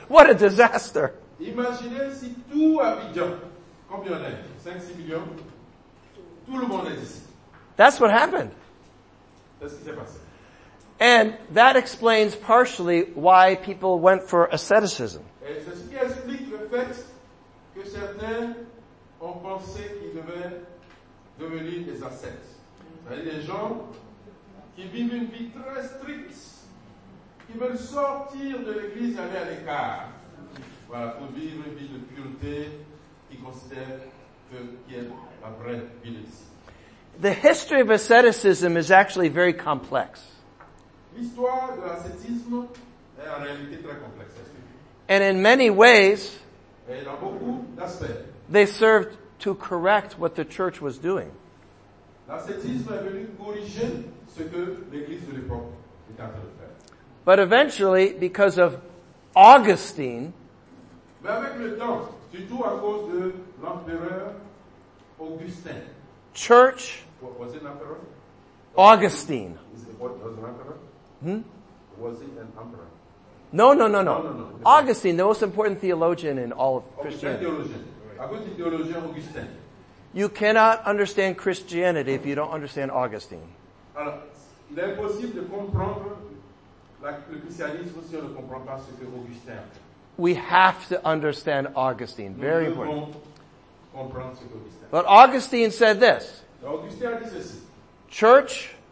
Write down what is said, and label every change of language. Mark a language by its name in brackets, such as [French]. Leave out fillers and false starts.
[English] What a disaster! [French] Imagine si tout Abidjan, combien on est? 5-6 millions. Tout le monde est ici. [English] That's what happened. [French] C'est ce qui s'est passé. [English] And that explains partially why people went for asceticism. [French] Et c'est ce qui explique le fait que certains ont pensé qu'ils devaient devenir des ascètes. C'est-à-dire des gens qui vivent une vie très stricte, qui veulent sortir de l'église et aller à l'écart. Voilà, pour vivre une vie de pureté, qui considère que qui est la vraie Bilice. [English] The history of asceticism is actually very complex. [French] L'histoire de l'ascétisme est en réalité très complexe. [English] And in many ways, [French] et dans beaucoup d'aspects, [English] they served to correct what the church was doing. [French] L'ascétisme est venu corriger ce que l'église de l'époque était en train de faire. [English] But eventually, because of Augustine, [French] mais avec le temps, surtout à cause de l'empereur Augustin, [English] church, was it an emperor? Augustine. Was it an emperor? Hmm? Was it an emperor? No. Augustine, the most important theologian in all of Christianity. [French] Augustin theologian. Augustin. [English] You cannot understand Christianity if you don't understand Augustine. [French] Alors, il est possible de comprendre le christianisme si on ne comprend pas ce que Augustin. [English] We have to understand Augustine. Very important. [French] Nous devons comprendre ce que Augustin. [English] But Augustine said this. [French] Augustin a dit ceci. [English] Church.